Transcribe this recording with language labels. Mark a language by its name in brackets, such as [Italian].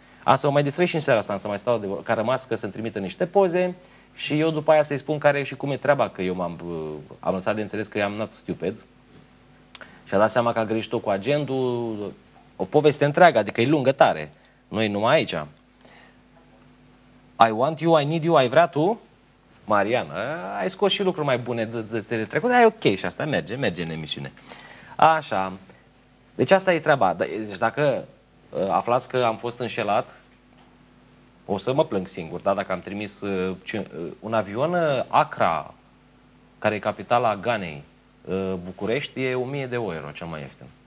[Romanian] Am să mă mai distrez și în seara asta, am să mai stau de vorba, că a rămas că să-mi trimită niște poze și eu după aia să-i spun care și cum e treaba, că eu am lăsat de înțeles că [English] i-am not stupid [Romanian] și a dat seama că a greșit-o cu agendul, o poveste întreagă, adică e lungă tare. Noi numai aici. [English] I want you, I need you, [Romanian] ai vrea tu? Marian, ai scos și lucruri mai bune de trecut, dar e ok și asta merge, merge în emisiune. Așa, deci asta e treaba. Deci dacă aflați că am fost înșelat, o să mă plâng singur, da? Dacă am trimis un avion Accra, care e capitala Ghanei, București, e 1000 de euro cel mai ieftin.